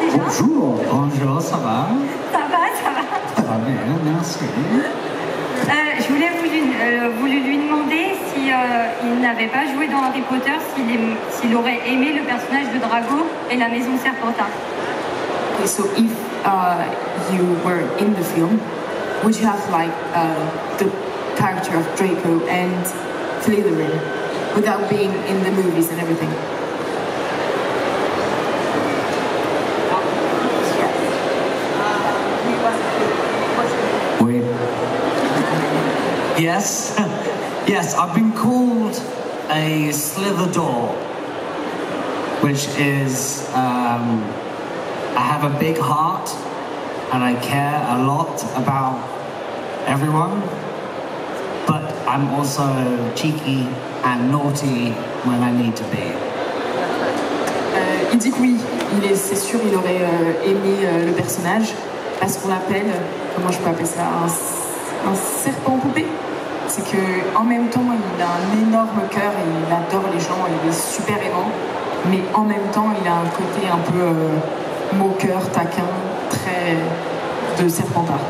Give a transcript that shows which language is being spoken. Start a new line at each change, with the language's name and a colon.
French: Bonjour, ça va? Ça va, ça va. Très bien, merci. Je voulais vous lui demander si il n'avait pas joué dans Harry Potter, s'il aurait aimé le personnage de Drago et la maison Serpentard.
English: Okay, so if you were in the film, would you have liked the character of Draco and Slytherin without being in the movies and everything? Yes, yes, I've been called a Slytherdor, which is, I have a big heart and I care a lot about everyone, but I'm also cheeky and naughty when I need to be.
French: Il dit que oui, c'est sûr, il aurait aimé le personnage, parce qu'on l'appelle, comment je peux appeler ça, un serpent poupée. C'est qu'en même temps, il a un énorme cœur, il adore les gens, il est super aimant, mais en même temps, il a un côté un peu moqueur, taquin, très de serpentard.